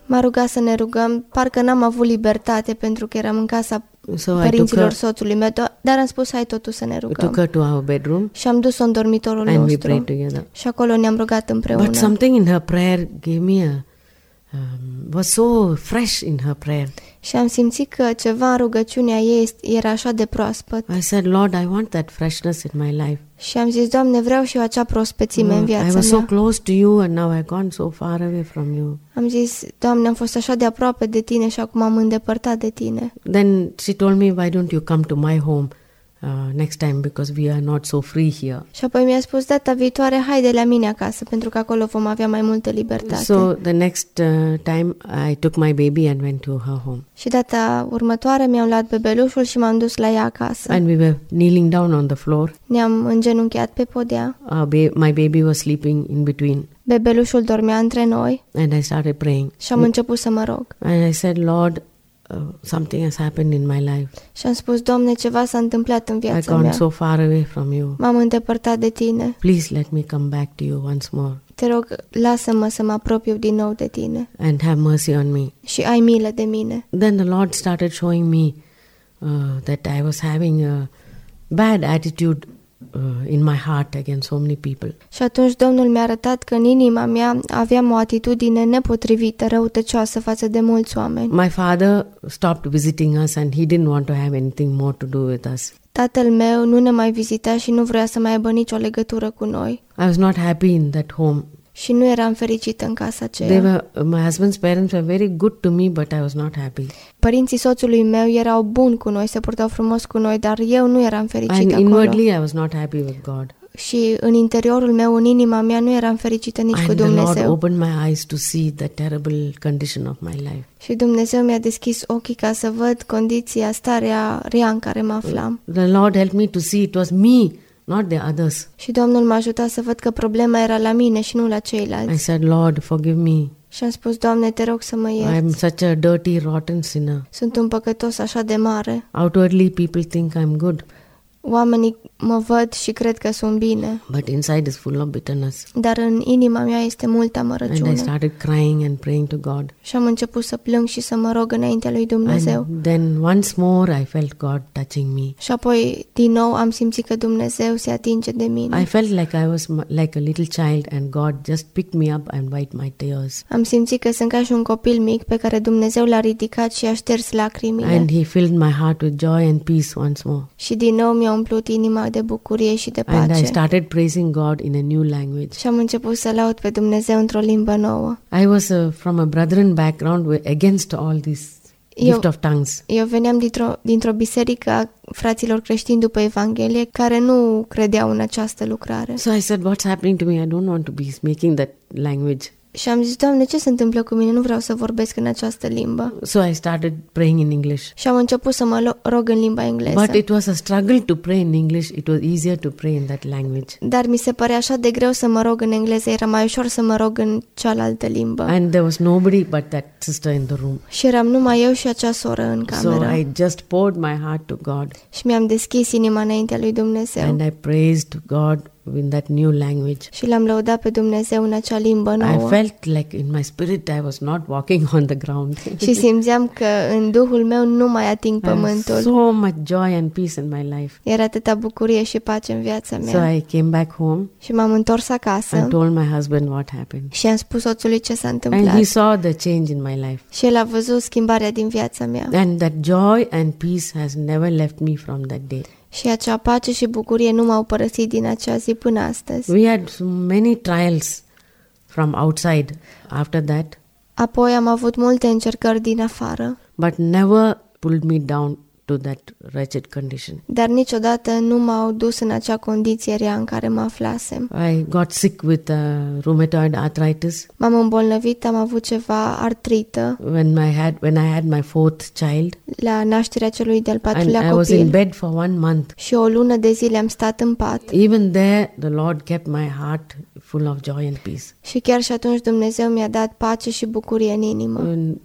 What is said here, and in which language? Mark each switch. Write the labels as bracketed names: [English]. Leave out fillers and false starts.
[Romanian] M-a rugat să ne rugăm, parcă n-am avut libertate pentru că eram în casa părinților soțului meu, dar am spus, hai totuși să ne rugăm. [English] Took her to our bedroom. [Romanian] Și am dus-o în dormitorul nostru. [English] And we prayed together. [Romanian] Și acolo ne-am rugat împreună. [English] But something in her prayer gave me was so fresh in her prayer. [Romanian] Și am simțit că ceva în rugăciunea ei era așa de proaspăt. [English] I said, Lord, I want that freshness in my life. [Romanian] Și am zis, Doamne, vreau și eu acea prospețime în viața mea. [English] I was so close to you and now I've gone so far away from you. [Romanian] Am zis, Doamne, am fost așa de aproape de tine și acum am îndepărtat de tine. [English] Then she told me, why don't you come to my home next time because we are not so free here. [Romanian] Și apoi mi-a spus, data viitoare haide la mine acasă pentru că acolo vom avea mai multă libertate. [English] So the next time I took my baby and went to her home. [Romanian] Și data următoare mi-am luat bebelușul și m-am dus la ea acasă. [English] And we were kneeling down on the floor. [Romanian] Ne-am îngenunchiat pe podea. [English] My baby was sleeping in between. [Romanian] Bebelușul dormea între noi. [English] And I started praying. [Romanian] Și am început să mă rog. [English] And I said, Lord, something has happened in my life. [Romanian] Și am spus, Doamne, ceva s-a întâmplat în viața mea. [English] I gone so far away from you. [Romanian] M-am îndepărtat de tine. [English] Please let me come back to you once more. [Romanian] Te rog, lasă-mă să mă apropiu din nou de tine. [English] And have mercy on me. [Romanian] Și ai milă de mine. [English] Then the Lord started showing me that I was having a bad attitude in my heart against so many people. [Romanian] Și atunci Domnul mi-a arătat că în inima mea aveam o atitudine nepotrivită, răutăcioasă față de mulți oameni. [English] My father stopped visiting us and he didn't want to have anything more to do with us. [Romanian] Tatăl meu nu ne mai vizita și nu vrea să mai aibă nicio legătură cu noi. [English] I was not happy in that home. [Romanian] Și nu eram fericită în casa aceea. [English] My husband's parents were very good to me, but I was not happy. [Romanian] Părinții soțului meu erau buni cu noi, se purtau frumos cu noi, dar eu nu eram fericită and acolo. [English] Inwardly, I was not happy with God. [Romanian] Și în interiorul meu, în inima mea, nu eram fericită nici and cu Dumnezeu. [English] The Lord opened my eyes to see the terrible condition of my life. [Romanian] Și Dumnezeu mi-a deschis ochii ca să văd condiția, starea rea în care mă aflam. [English] The Lord helped me to see it was me. Not the others. [Romanian] Și Domnul m-a ajutat să văd că problema era la mine și nu la ceilalți. [English] I said, Lord, forgive me. [Romanian] Și am spus, Doamne, te rog să mă ierți. [English] I'm such a dirty, rotten sinner. [Romanian] Sunt un păcătos așa de mare. [English] Outwardly, people think I'm good. [Romanian] Oamenii mă văd și cred că sunt bine. [English] But inside is full of bitterness. [Romanian] Dar în inima mea este multă amărăciune. [English] And I started crying and praying to God. [Romanian] Și am început să plâng și să mă rog înaintea lui Dumnezeu. [English] And then once more I felt God touching me. [Romanian] Și apoi din nou am simțit că Dumnezeu se atinge de mine. [English] I felt like I was like a little child and God just picked me up and wiped my tears. [Romanian] Am simțit că sunt ca și un copil mic pe care Dumnezeu l-a ridicat și a șters lacrimile. [English] And he filled my heart with joy and peace once more. [Romanian] Și din nou mi-a umplut inima de bucurie și de pace. [English] And I started praising God in a new language. [Romanian] Și am început să laud pe Dumnezeu într-o limbă nouă. [English] I was from a brethren background against all this gift of tongues. [Romanian] Eu veneam dintr-o biserică a fraților creștini după Evanghelie care nu credeau în această lucrare. [English] So I said, what's happening to me? I don't want to be speaking that language. [Romanian] Și am zis, Doamne, ce se întâmplă cu mine? Nu vreau să vorbesc în această limbă. [English] So I started praying in English. [Romanian] Și am început să mă rog în limba engleză. [English] But it was a struggle to pray in English. It was easier to pray in that language. [Romanian] Dar mi se părea așa de greu să mă rog în engleză. Era mai ușor să mă rog în cealaltă limbă. [English] And there was nobody but that sister in the room. [Romanian] Și eram numai eu și acea soră în cameră. [English] So I just poured my heart to God. [Romanian] Și mi-am deschis inima înaintea lui Dumnezeu. [English] And I praised God in that new language. [Romanian] Și l-am lăudat pe Dumnezeu în acea limbă nouă. [English] I felt like in my spirit I was not walking on the ground. [Romanian] Și simțeam că în duhul meu nu mai ating pământul. [English] So much joy and peace in my life. [Romanian] Era atâta bucurie și pace în viața mea. [English] So I came back home. [Romanian] Și m-am întors acasă. [English] And told my husband what happened. [Romanian] Și am spus soțului ce s-a întâmplat. [English] And he saw the change in my life. [Romanian] Și el a văzut schimbarea din viața mea. [English] And that joy and peace has never left me from that day. [Romanian] Și acea pace și bucurie nu m-au părăsit din acea zi până astăzi. [English] We had many trials from outside after that. [Romanian] Apoi am avut multe încercări din afară. [English] But never pulled me down to that wretched condition. [Romanian] Dar niciodată nu m-au dus în acea condiție rea în care mă aflasem. [English] I got sick with rheumatoid arthritis. [Romanian] M-am îmbolnăvit, am avut ceva artrită. [English] When I had my fourth child. [Romanian] La nașterea celui de-al patrulea copil. [English] And I was in bed for 1 month. [Romanian] Și o lună de zile am stat în pat. [English] Even there the Lord kept my heart full of joy and peace. [Romanian] Și chiar și atunci Dumnezeu mi-a dat pace și bucurie în inimă.